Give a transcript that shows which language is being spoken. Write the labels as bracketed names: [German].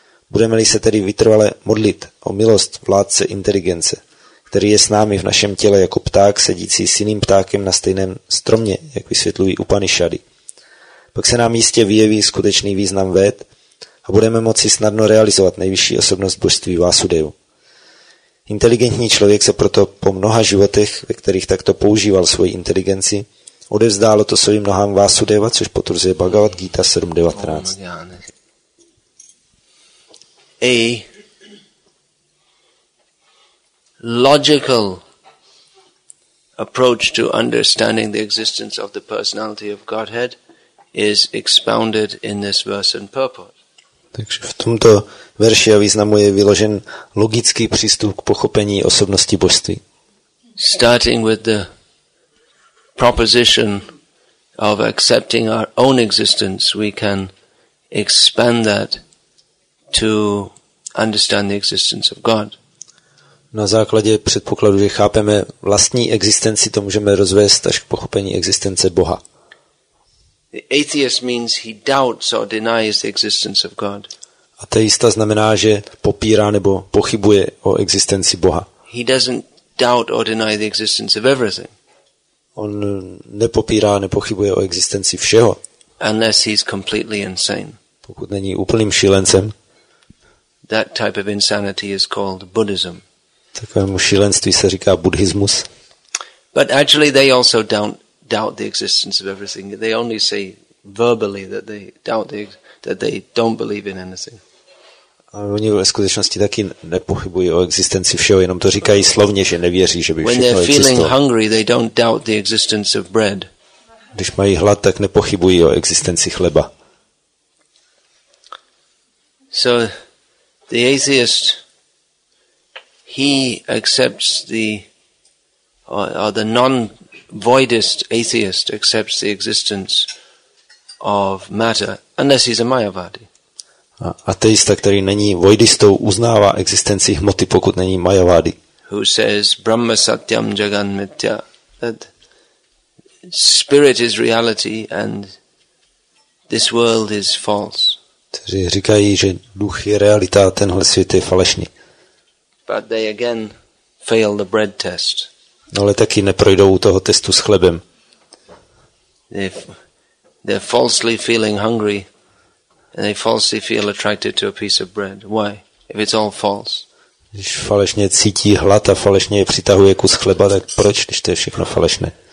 [Czech] Budeme-li se tedy vytrvale modlit o milost vládce inteligence, který je s námi v našem těle jako pták sedící s jiným ptákem na stejném stromě, jak vysvětlují Upanishady, pak se nám jistě vyjeví skutečný význam véd a budeme moci snadno realizovat nejvyšší osobnost božství Vásudevu. Inteligentní člověk se proto po mnoha životech, ve kterých takto používal svoji inteligenci, odevzdálo to svým nohám Vásudeva, což potvrzuje Bhagavad Gita 7.19. [English] A logical approach to understanding the existence of the personality of Godhead is expounded in this verse and purport. [Czech] Takže v tomto verši a významu je vyložen logický přístup k pochopení osobnosti božství. [English] Starting with the proposition of accepting our own existence, we can expand that to understand the existence of God. [Czech] Na základě předpokladu, že chápeme vlastní existenci, to můžeme rozvést až k pochopení existence Boha. [English] The atheist means he doubts or denies the existence of God. [Czech] Ateista znamená, že popírá nebo pochybuje o existenci Boha. [English] He doesn't doubt or deny the existence of everything. [Czech] On nepopírá, nepochybuje o existenci všeho. [English] Unless he's completely insane. [Czech] Pokud není úplným šílencem. [English] That type of insanity is called Buddhism. [Czech] Takovému šílenství se říká buddhismus. [English] But actually they also doubt the existence of everything. They only say verbally that they doubt that they don't believe in anything. [Czech] A oni ve skutečnosti taky nepochybují o existenci všeho, jenom to říkají slovně, že nevěří, že by všechno existovalo. [English] When they're feeling hungry, they don't doubt the existence of bread. [Czech] Když mají hlad, tak nepochybují o existenci chleba. [English] So the atheist, he accepts the non-voidist atheist accepts the existence of matter, unless he's a Mayavadi. [Czech] A ateista, který není voidistou, uznává existenci hmoty, pokud není Mayavadi. [English] Who says [Sanskrit] Brahma Satyam Jagan Mitya, [English] that spirit is reality and this world is false. [Czech] Kteří říkají, že duch je realita, tenhle svět je falešný. [English] But they again fail the bread test. [Czech] Ale taky neprojdou u toho testu s chlebem. [English] They're falsely feeling hungry and they falsely feel attracted to a piece of bread. Why? If it's all false. [Czech] Když falešně cítí hlad a falešně je přitahuje kus chleba, tak proč, když to je všechno falešné?